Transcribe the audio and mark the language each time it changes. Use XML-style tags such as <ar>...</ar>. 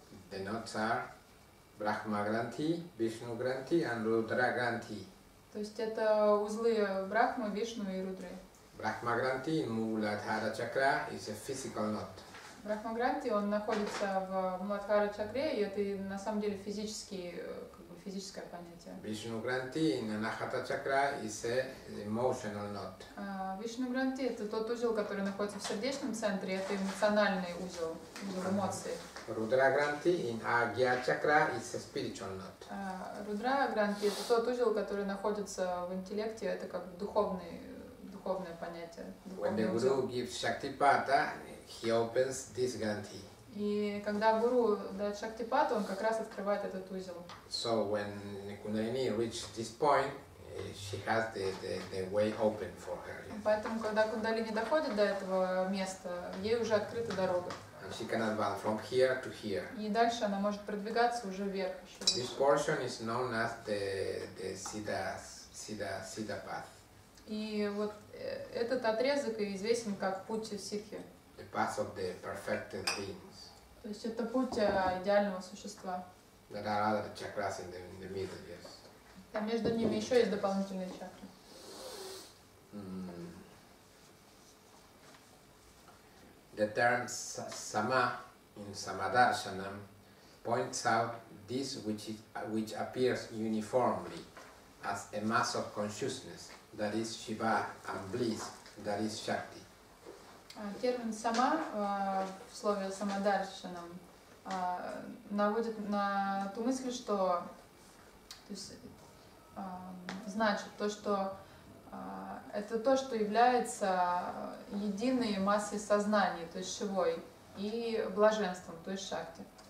<en>The knots are Brahma Granthi, Vishnu Granthi and Rudra Granthi.</en> <ru>То есть это узлы Брахмы, Вишну и Рудры.</ru> <en>Brahma Granthi in Muladhara Chakra is a physical knot.</en> <ru>Brahma Granthi, он находится в Muladhara Chakra, и это на самом деле физическое понятие.</ru> <en>Vishnu Granthi in Anahata Chakra is a emotional knot.</en> <ru>Vishnu Granthi это тот узел, который находится в сердечном центре, это эмоциональный узел, узел эмоций.</ru> <en>Rudra Granthi in Agya Chakra is a spiritual knot.</en> <ru>Rudra Granthi это тот узел, который находится в интеллекте, это как духовное понятие.</ru> <en>When the guru gives Shaktipata, he opens this Granthi.</en> <ru>И когда гуру дает Шактипату, он как раз открывает этот узел.</ru> <en>So when Kundalini reached this point, she has the way open for her. Yes.</en> <ru>Поэтому когда Кундалини доходит до этого места, ей уже открыта дорога.</ru> <en>And she can advance from here to here.</en> <ru>И дальше она может продвигаться уже вверх. Еще</ru> <en>this Portion is known as the Siddha path.</en> <ru>И вот этот отрезок известен как путь Сиддхи.</ru> <en>The path of the perfected beings.</en> <ru>То есть это путь идеального существа.</ru> <en>There are other chakras in the middle, yes.</en> <ru>Там между ними еще есть дополнительные чакры.</ru> <en>The term sama in samadarshanam points out this which appears uniformly as a mass of consciousness, that is Shiva and bliss, that is Shakti.</en> <ru>Термин сама в слове самадарщанам наводит на ту мысль, что то есть, значит то, что это то, что является единой массой сознания, то есть Шивой, и блаженством, то есть Шакти.</ru>